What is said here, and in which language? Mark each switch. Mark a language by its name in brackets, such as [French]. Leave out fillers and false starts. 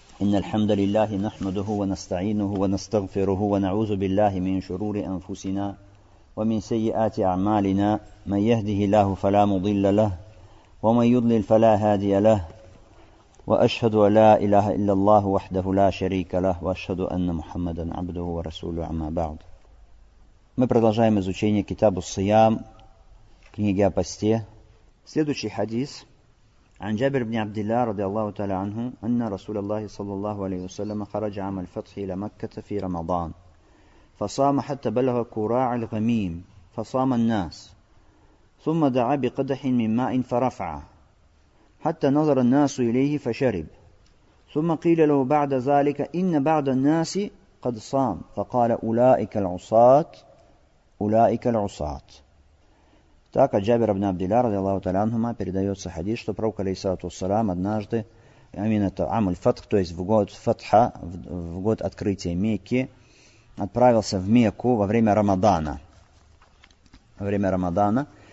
[Arabic] إن الحمد لله نحمده ونستعينه ونستغفره ونعوذ بالله من شرور أنفسنا ومن سيئات أعمالنا، من يهده الله فلا مضل له ومن يضلل فلا هادي له، وأشهد أن لا إله إلا الله وحده لا شريك له، وأشهد أن محمدا عبده ورسوله، أما بعد. [Russian] Мы продолжаем изучение Китабу Сиям, книги о посте. Следующий хадис. [Arabic] عن جابر بن عبد الله رضي الله تعالى عنه أن رسول الله صلى الله عليه وسلم خرج عام الفتح إلى مكة في رمضان فصام حتى بلغ كراع الغميم فصام الناس ثم دعا بقدح من ماء فرفعه حتى نظر الناس إليه فشرب ثم قيل له بعد ذلك إن بعض الناس قد صام فقال أولئك العصاة أولئك العصاة. [Russian] Так от Джабира ибн Абдилля, ради Аллаху та'аля анхума, передается хадис, что пророк, алейхиссалату вассалям, однажды, именно это Ам-уль-Фатх, то есть в год Фатха, в год открытия Мекки, отправился в Мекку во время Рамадана. Во время Рамадана.